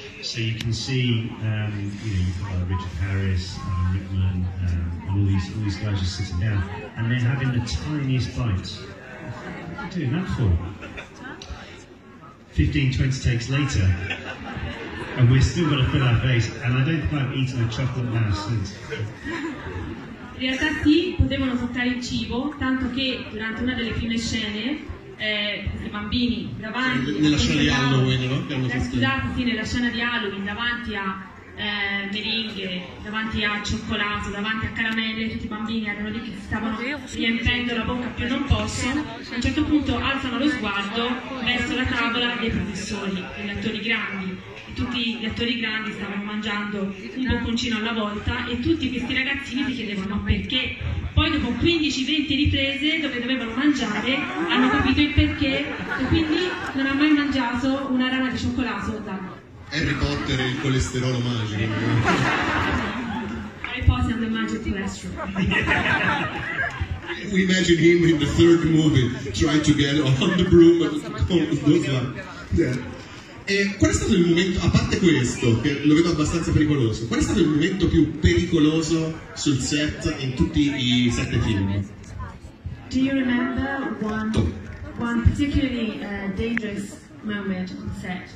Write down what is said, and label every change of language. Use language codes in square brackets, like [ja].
[en] So you can see, Richard Harris, Rickman, and all these guys just sitting down, and they're having the tiniest bites. What are you doing that for? 15, 20 takes later, and we're still going to fill our face, and I don't think I've eaten a chocolate now since. [it] In realtà sì, potevano toccare il cibo, tanto che durante una delle prime scene, i bambini davanti nella scena di Halloween, no? Nella scena di Halloween davanti a meringhe, davanti a cioccolato, davanti a caramelle, tutti i bambini erano lì che si stavano riempendo la bocca più non posso. A un certo punto alzano lo sguardo verso la tavola dei professori, degli attori grandi. Tutti gli attori grandi stavano mangiando un bocconcino alla volta e tutti questi ragazzini si chiedevano perché. Poi dopo 15-20 riprese dove dovevano mangiare hanno capito il perché e quindi non ha mai mangiato una rana di cioccolato da Harry Potter e il colesterolo magico. [en] Harry Potter and the magic cholesterol. We imagine him in the third movie trying to get on the broom of those one. [it] E qual è stato il momento, a parte questo, che lo vedo abbastanza pericoloso, qual è stato il momento più pericoloso sul set in tutti i 7 film? [en] Do you remember one particularly dangerous moment on set?